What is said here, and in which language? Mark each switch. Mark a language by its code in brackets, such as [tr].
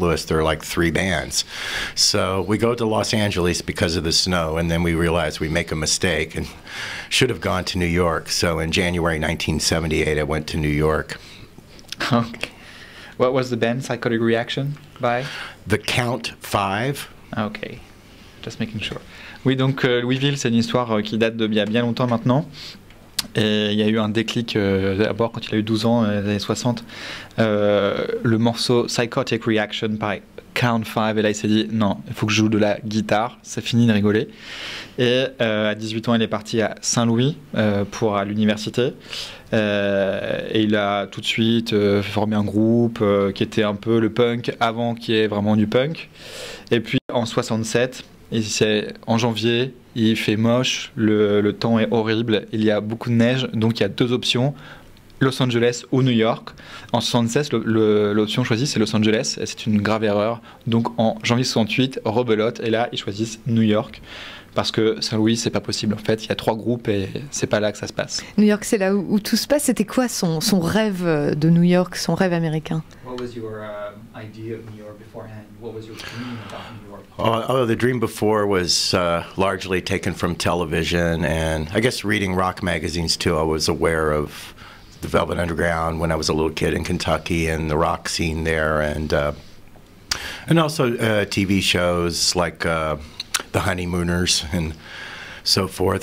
[en] Louis, there are like three bands. So we go to Los Angeles because of the snow, and then we realize we make a mistake and should have gone to New York. So in January 1978, I went to New York. Okay. What was the band Psychotic Reaction by? The Count Five. Okay. Just making sure. [fr] Oui, donc Louisville, c'est une histoire qui date d'il y a bien longtemps maintenant. Et il y a eu un déclic d'abord quand il a eu 12 ans, les années 60. Le morceau Psychotic Reaction by Count Five. Et là, il s'est dit, non, il faut que je joue de la guitare. C'est fini de rigoler. Et à 18 ans, il est parti à Saint-Louis pour à l'université. Et il a tout de suite formé un groupe qui était un peu le punk avant qu'il y ait vraiment du punk. Et puis en 67... Et c'est en janvier, il fait moche, le temps est horrible, il y a beaucoup de neige, donc il y a deux options, Los Angeles ou New York. En 76, l'option choisie, c'est Los Angeles, et c'est une grave erreur. Donc en janvier 68, rebelote, et là, ils choisissent New York, parce que Saint-Louis, c'est pas possible. En fait, il y a trois groupes, et c'est pas là que ça se passe. New York, c'est là où tout se passe. C'était quoi son rêve de New York, son rêve américain? [en] What was your idea of New York beforehand? What was your dream about New York? Oh, the dream before was largely taken from television, and I guess reading rock magazines too. I was aware of the Velvet Underground when I was a little kid in Kentucky and the rock scene there, and also TV shows like The Honeymooners and so forth.